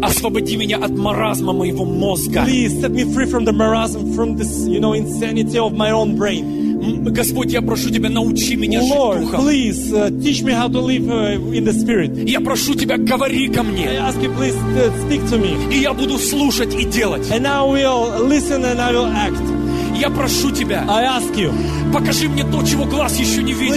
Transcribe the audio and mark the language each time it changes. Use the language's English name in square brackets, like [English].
[Russian] Освободи меня от маразма моего мозга. [English] Please set me free from the marasm, from this, you know, insanity of my own brain. [Russian] Господь, я прошу тебя, научи меня жить [English] Lord, [Russian] духом. [English] Please teach me how to live in the spirit. [Russian] Я прошу тебя, говори ко мне. [English] I ask you, please speak to me. [Russian] И я буду слушать и делать. [English] And I will listen and I will act. [Russian] Я прошу тебя. [English] I ask you. [Russian] Покажи мне то, чего глаз еще не видел.